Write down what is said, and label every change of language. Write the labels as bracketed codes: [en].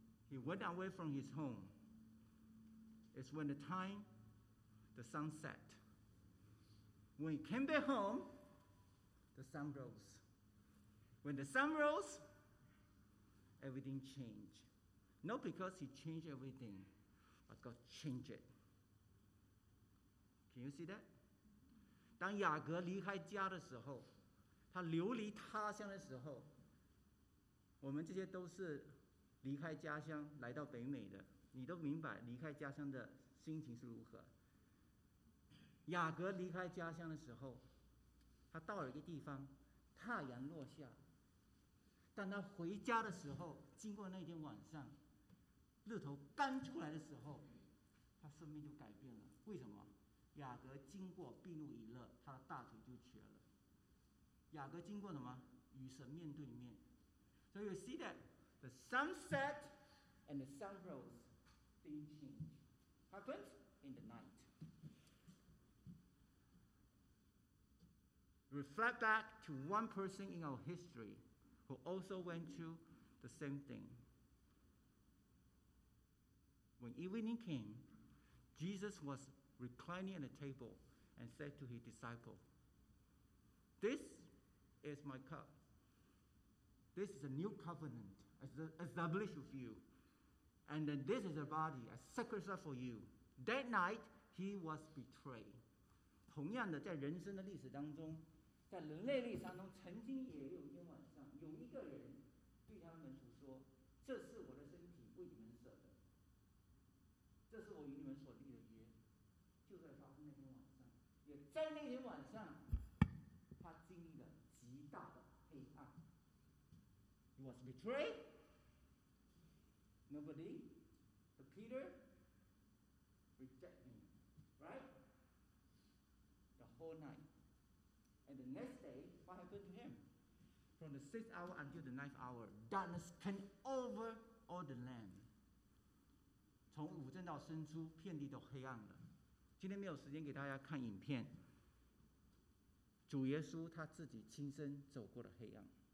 [en] He went away from his home. It's when the sun set. When he came back home, the sun rose. When the sun rose, everything changed. Not because he changed everything, but God changed it. Can you see that? [zh] 当雅各离开家的时候, 他流离他乡的时候, 我们这些都是离开家乡, 来到北美的, 你都明白离开家乡的心情是如何。雅各离开家乡的时候, 他到了一个地方, 太阳落下, 但他回家的时候, 经过那天晚上, 日头刚出来的时候, 他生命就改变了, 为什么? 雅各经过庇努以勒, 他的大腿就瘸了。雅各经过什么?与神面对面。 [en] So you see that the sun set and the sun rose, things change. Happens in the night. Reflect back to one person in our history who also went through the same thing. When evening came, Jesus was reclining at the table and said to his disciple, "This is my cup. This is a new covenant established with you. And then this is a body, a sacrifice for you." That night, he was betrayed. [zh] 同样的,在人生的历史当中, 在人类历史当中,曾经也有一天晚上,有一个人对他们主说,这是我的身体,为你们舍的。这是我与你们所立的约,就在发生那天晚上。也在那天晚上,他经历了极大的黑暗。 [en] He was betrayed. Nobody. The Peter rejected him. Right? The whole night. And the next day, what happened to him? From the sixth hour until the ninth hour, darkness came over all the land. [zh] 从午正到深处，遍地都黑暗了。今天没有时间给大家看影片。主耶稣他自己亲身走过了黑暗。